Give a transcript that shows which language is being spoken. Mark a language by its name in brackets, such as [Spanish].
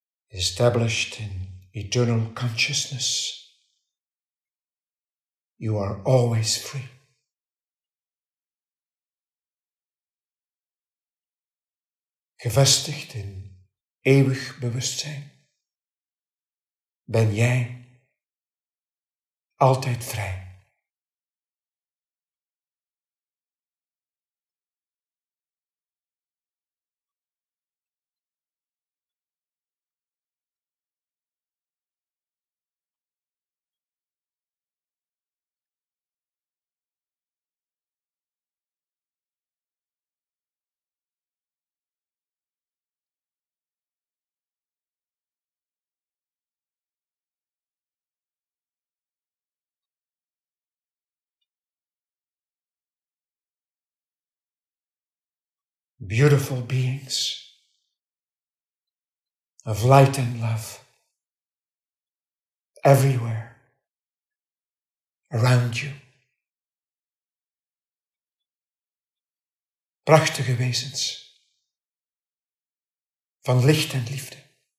[English] Established in eternal consciousness, you are always free. [Dutch] Gevestigd in eeuwig bewustzijn, ben jij altijd vrij. [English] Beautiful beings of light and love everywhere around you. [Dutch] Prachtige wezens van licht en liefde.